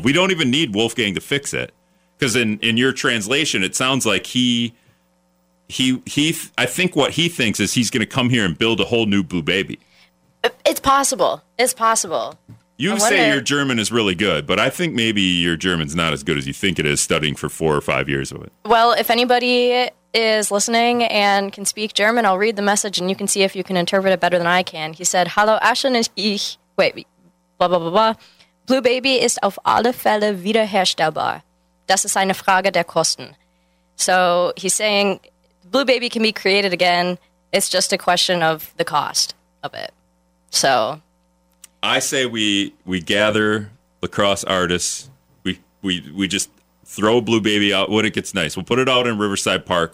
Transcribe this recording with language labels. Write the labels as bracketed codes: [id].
[en] We don't even need Wolfgang to fix it. Because in your translation, it sounds like I think what he thinks is he's going to come here and build a whole new Blue Baby. It's possible. It's possible. You say your German is really good, but I think maybe your German's not as good as you think it is studying for 4 or 5 years of it. Well, if anybody is listening and can speak German, I'll read the message and you can see if you can interpret it better than I can. He said, [de] "Hallo, Ashlyn ist ich." [en] Wait, blah, blah, blah, blah. [de] Blue Baby ist auf alle Fälle wiederherstellbar. Das ist eine Frage der Kosten. [en] So he's saying Blue Baby can be created again. It's just a question of the cost of it. So I say we gather La Crosse artists. We we just throw Blue Baby out when it gets nice. We'll put it out in Riverside Park.